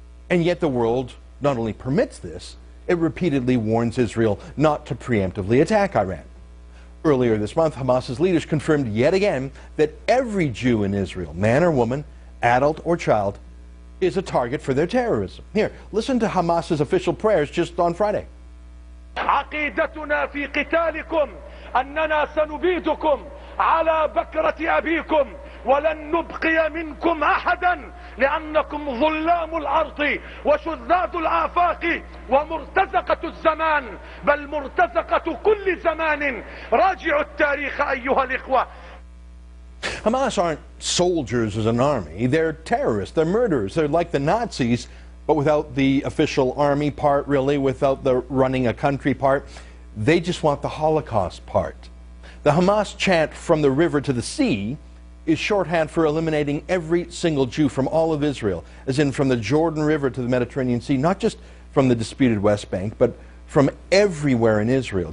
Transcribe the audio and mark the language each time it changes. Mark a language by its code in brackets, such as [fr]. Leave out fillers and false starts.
[en] And yet the world not only permits this, it repeatedly warns Israel not to preemptively attack Iran. Earlier this month, Hamas's leaders confirmed yet again that every Jew in Israel, man or woman, adult or child, is a target for their terrorism. Here, listen to Hamas's official prayers just on Friday. [ar] عقيدتنا في قتالكم أننا سنبيدكم على بكرة أبيكم ولن نبقي منكم أحدا لأنكم ظلام الأرض وشذاذ الآفاق ومرتزقة الزمان بل مرتزقة كل زمان راجعوا التاريخ أيها الإخوة. [en] Hamas aren't soldiers as an army. They're terrorists. They're murderers. They're like the Nazis, but without the official army part, really, without the running a country part. They just want the Holocaust part. The Hamas chant, from the river to the sea, is shorthand for eliminating every single Jew from all of Israel, as in from the Jordan River to the Mediterranean Sea, not just from the disputed West Bank, but from everywhere in Israel.